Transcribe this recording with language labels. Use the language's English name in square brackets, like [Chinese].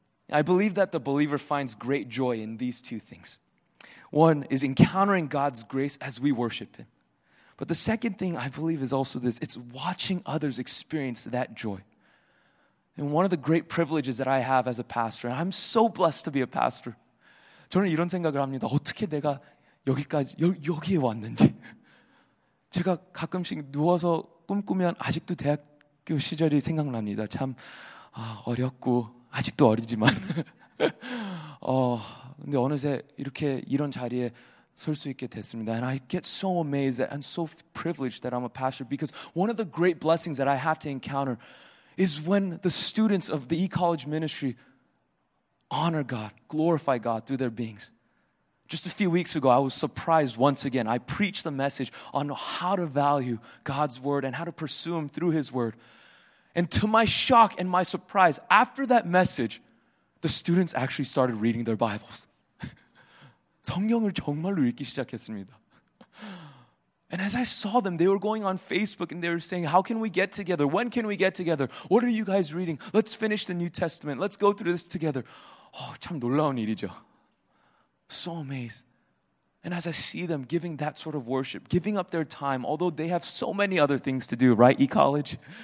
[English] I believe that the believer finds great joy in these two things. One is encountering God's grace as we worship him. But the second thing I believe is also this. It's watching others experience that joy. And one of the great privileges that I have as a pastor, and I'm so blessed to be a pastor. [Korean] 저는 이런 생각을 합니다. 어떻게 내가 여기에 왔는지. 제가 가끔씩 누워서 꿈꾸면 아직도 대학교 시절이 생각납니다. 참 어렵고. 아직도 어리지만 근데 어느새 이렇게 이런 자리에 설 수 있게 됐습니다. [English] And I get so amazed that I'm so privileged that I'm a pastor because one of the great blessings that I have to encounter is when the students of the e-college ministry honor God, glorify God through their beings. Just a few weeks ago, I was surprised once again. I preached the message on how to value God's word and how to pursue him through his word. And to my shock and my surprise, after that message, the students actually started reading their Bibles. [Korean] 성경을 정말로 읽기 시작했습니다. [English] And as I saw them, they were going on Facebook and they were saying, how can we get together? When can we get together? What are you guys reading? Let's finish the New Testament. Let's go through this together. [Korean] 참 놀라운 일이죠. [English] So amazed. And as I see them giving that sort of worship, giving up their time, although they have so many other things to do, right, e-college?